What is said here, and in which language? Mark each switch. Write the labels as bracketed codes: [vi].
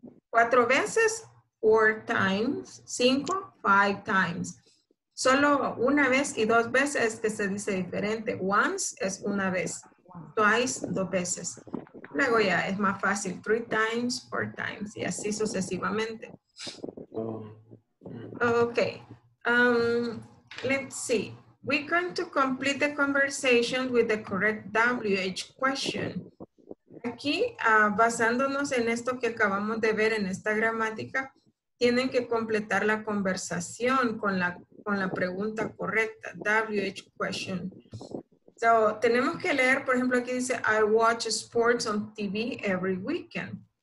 [es] Cuatro veces, [en] four times, cinco, five times. [es] Solo una vez y dos veces es que se dice diferente. Once es una vez, twice, dos veces. Luego ya es más fácil, [en] three times, four times, [es] y así sucesivamente. [en] Okay, let's see. We're going to complete the conversation with the correct WH question. [es] Aquí, basándonos en esto que acabamos de ver en esta gramática, tienen que completar la conversación con la pregunta correcta, WH question. [en] So, [es] tenemos que leer, por ejemplo, aquí dice, [en] I watch sports on TV every weekend.